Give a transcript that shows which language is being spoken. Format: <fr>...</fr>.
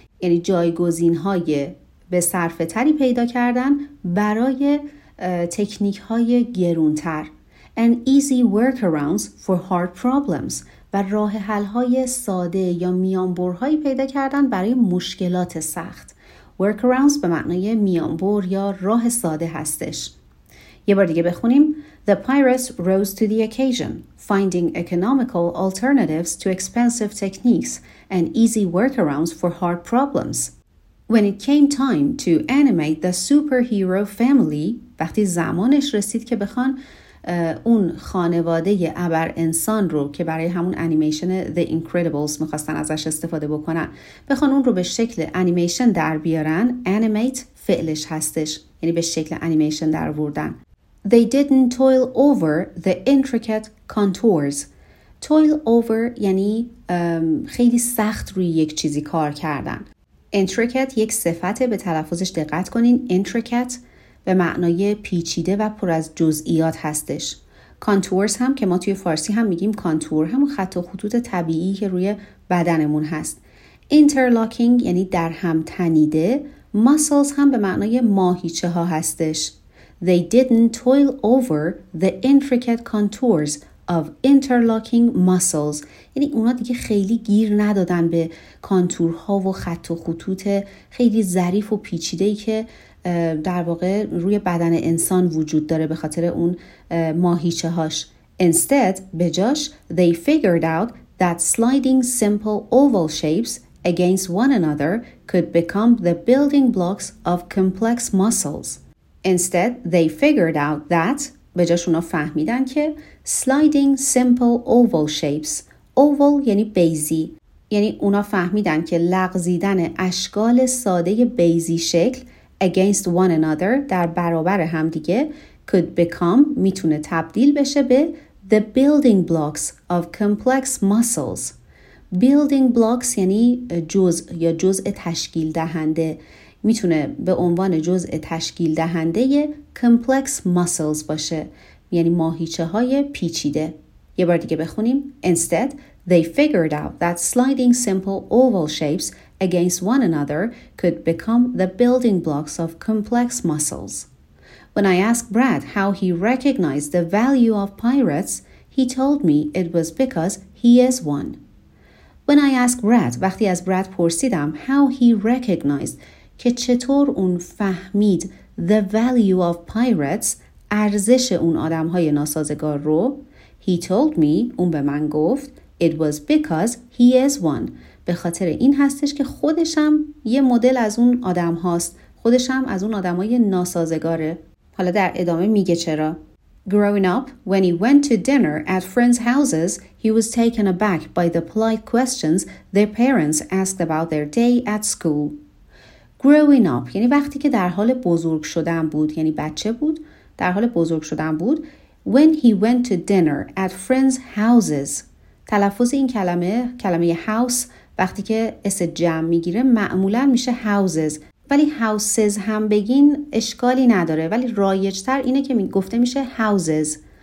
<fa>یعنی جایگزین های به صرفه تری پیدا کردن برای تکنیک های گرونتر.</fa> <en>And easy workarounds for hard problems.</en> <fa>و راه حل های ساده یا میانبر هایی پیدا کردن برای مشکلات سخت. Workarounds به معنای میانبر یا راه ساده هستش. یه بار دیگه بخونیم.</fa> <en>The pirates rose to the occasion, finding economical alternatives to expensive techniques and easy workarounds for hard problems. When it came time to animate the superhero family,</en> <fa>وقتی زمانش رسید که بخوان اون خانواده ابر انسان رو که برای همون انیمیشن The Incredibles میخواستن ازش استفاده بکنن، بخوان اون رو به شکل انیمیشن در بیارن، animate فعلش هستش، یعنی به شکل انیمیشن در آوردن.</fa> <en>They didn't toil over the intricate contours.</en> <fa>Toil over یعنی خیلی سخت روی یک چیزی کار کردن. Intricate یک صفته، به تلفظش دقت کنین. Intricate به معنای پیچیده و پر از جزئیات هستش. Contours هم که ما توی فارسی هم میگیم contour، همون خط و خطوط طبیعی که روی بدنمون هست. Interlocking یعنی در هم تنیده. Muscles هم به معنای ماهیچه ها هستش.</fa> <en>They didn't toil over the intricate contours of interlocking muscles.</en> <fa>یعنی اونا دیگه خیلی گیر ندادن به کانتورها و خط و خطوط خیلی ظریف و پیچیده‌ای که در واقع روی بدن انسان وجود داره به خاطر اون ماهیچه‌هاش.</fa> <en>Instead,</en> <fa>به جاش,</fa> <en>they figured out that sliding simple oval shapes against one another could become the building blocks of complex muscles. Instead, they figured out that</en> <fa>به جاش اونا فهمیدن که</fa> <en>sliding simple oval shapes.</en> <fa>Oval یعنی بیزی. یعنی اونا فهمیدن که لغزیدن اشکال ساده بیزی شکل</fa> <en>against one another</en> <fa>در برابر هم دیگه</fa> <en>could become</en> <fa>میتونه تبدیل بشه به</fa> <en>the building blocks of complex muscles.</en> <fa>Building blocks یعنی جزء یا جزء تشکیل دهنده. میتونه به عنوان جزء تشکیل دهنده</fa> <en>complex muscles</en> <fa>باشه، یعنی ماهیچه های پیچیده. یه بار دیگه بخونیم.</fa> <en>Instead, they figured out that sliding simple oval shapes against one another could become the building blocks of complex muscles. When I asked Brad how he recognized the value of pirates, he told me it was because he is one. When I asked Brad,</en> <fa>وقتی از براد پرسیدم</fa> <en>how he recognized</en> <fa>که چطور اون فهمید</fa> <en>the value of pirates</en> <fa>ارزش اون آدم های ناسازگار رو</fa> <en>he told me</en> <fa>اون به من گفت</fa> <en>it was because he is one</en> <fa>به خاطر این هستش که خودشم یه مدل از اون آدم هاست خودشم از اون آدم های ناسازگاره حالا در ادامه میگه چرا</fa> <en>Growing up, when he went to dinner at friends' houses, he was taken aback by the polite questions their parents asked about their day at school. Growing up,</en> <fa>یعنی وقتی که در حال بزرگ شدن بود, یعنی بچه بود, در حال بزرگ شدن بود,</fa> <en>when he went to dinner at friends' houses,</en> <fa>تلفظ این کلمه, کلمه house, وقتی که اس جمع میگیره, معمولا میشه houses, ولی houses هم بگین اشکالی نداره ولی رایج‌تر اینه که گفته میشه houses.</fa>